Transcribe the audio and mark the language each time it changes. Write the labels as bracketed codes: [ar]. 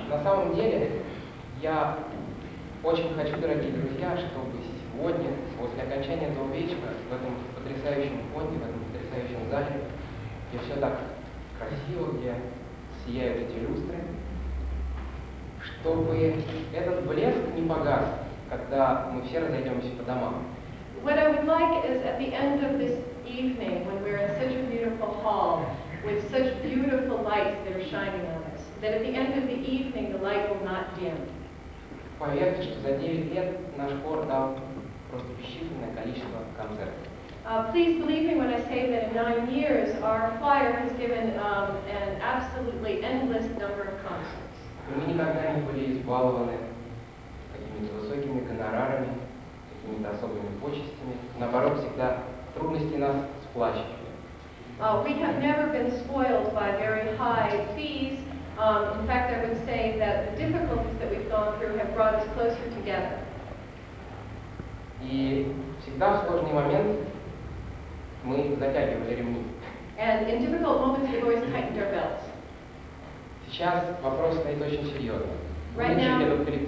[ru] На самом деле, я очень хочу, дорогие друзья, чтобы сегодня, после окончания этого вечера, в этом потрясающем фонде, в этом потрясающем зале, где все так красиво, где сияют эти люстры, чтобы этот блеск не погас, когда мы все разойдемся по домам. [en] What I would like is at the end of this evening, when we're in such a beautiful hall, with such beautiful lights that are shining on us, that at the end of the evening the light will not dim. [ru] Поверьте, что за 9 лет наш хор дал просто бесчисленное количество концертов. [en] Please believe me when I say that in 9 years our choir has given an absolutely endless number of concerts. [ru] Мы никогда не были избалованы какими-то высокими гонорарами, какими-то особыми почестями. Наоборот, всегда трудности нас сплачивали. [en] We have never been spoiled by very high fees. In fact, I would say that the difficulties that we've gone through have brought us closer together. [ru] И всегда в сложный момент мы затягивали ремни. [en] And in difficult moments, we've always tightened our belts. [ru] Сейчас вопрос стоит очень серьезно.